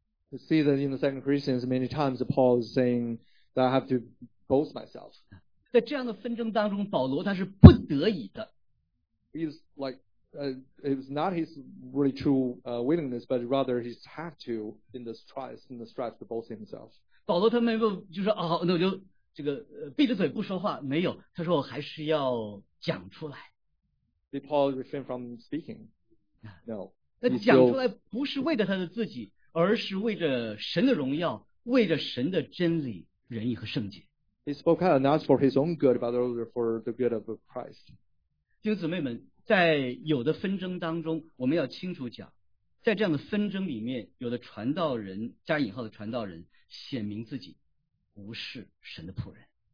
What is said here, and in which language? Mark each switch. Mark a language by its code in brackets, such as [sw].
[en] You see that in the Second Corinthians, many times Paul is saying that I have to boast myself. [zh] 在这样的纷争当中，保罗他是不得已的。 [en] He's like, it was not his really true willingness, but rather he had to in the strife, to boast himself. [zh] 保罗他没有就是哦，那我就这个闭着嘴不说话，没有，他说我还是要讲出来。 [en] Did Paul refrain from speaking? No. [zh] 那讲出来不是为了他的自己，而是为着神的荣耀，为着神的真理、仁义和圣洁。 [en] He spoke out not for his own good, but rather for the good of Christ. [zh] 弟兄姊妹们，在有的纷争当中，我们要清楚讲，在这样的纷争里面，有的传道人（加引号的传道人）显明自己不是神的仆人。